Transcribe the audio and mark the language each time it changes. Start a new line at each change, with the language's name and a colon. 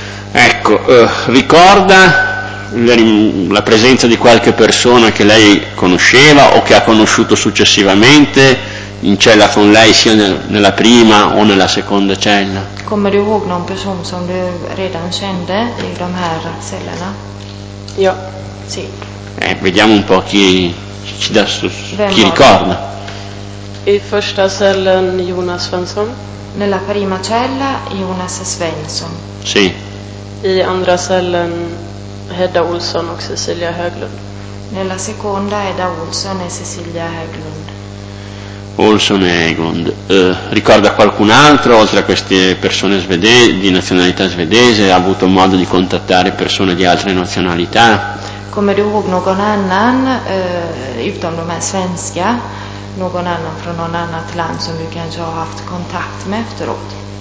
Italian: Ecco, ricorda la presenza di qualche persona che lei conosceva o che ha conosciuto successivamente in cella con lei, sia nella prima o nella seconda cella?
Swedish: Come du ihåg någon person som du redan kände i de här cellerna? Ja.
Italian: Sì. Vediamo un po' chi ricorda.
Swedish: I första cellen Jonas Svensson.
Italian: Nella prima cella Jonas Svensson. Sì.
Swedish: I andra cellen Hedda Olsson och Cecilia Höglund.
Italian: Nella seconda Hedda Olsson e Cecilia Höglund. Olson e Egond, ricorda qualcun altro oltre a queste persone svedesi, di nazionalità svedese? Ha avuto modo di contattare persone di altre nazionalità?
Swedish: Come du ihåg någon annan, utom de här svenska, någon annan från någon annat land som du kanske har haft kontakt med efteråt?